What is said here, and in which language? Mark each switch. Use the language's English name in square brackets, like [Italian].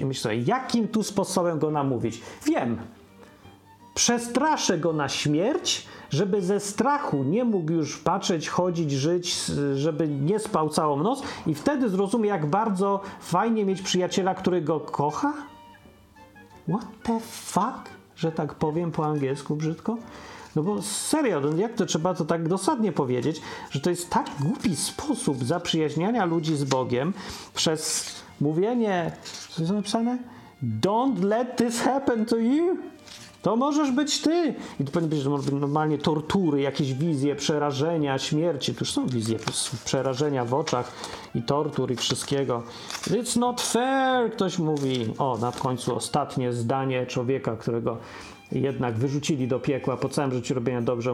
[Polish] I myślę sobie, jakim tu sposobem go namówić? Wiem. Przestraszę go na śmierć, żeby ze strachu nie mógł już patrzeć, chodzić, żyć, żeby nie spał całą noc i wtedy zrozumie, jak bardzo fajnie mieć przyjaciela, który go kocha? [English] What the fuck? [Polish] Że tak powiem po angielsku brzydko? No bo serio, jak to trzeba to tak dosadnie powiedzieć, że to jest tak głupi sposób zaprzyjaźniania ludzi z Bogiem przez mówienie, co jest napisane? [English] Don't let this happen to you! [Polish] To możesz być ty. I to powinien być, że normalnie tortury, jakieś wizje przerażenia, śmierci. To już są wizje przerażenia w oczach i tortur i wszystkiego. [English] It's not fair, [Polish] ktoś mówi. O, na końcu ostatnie zdanie człowieka, którego jednak wyrzucili do piekła po całym życiu robienia dobrze.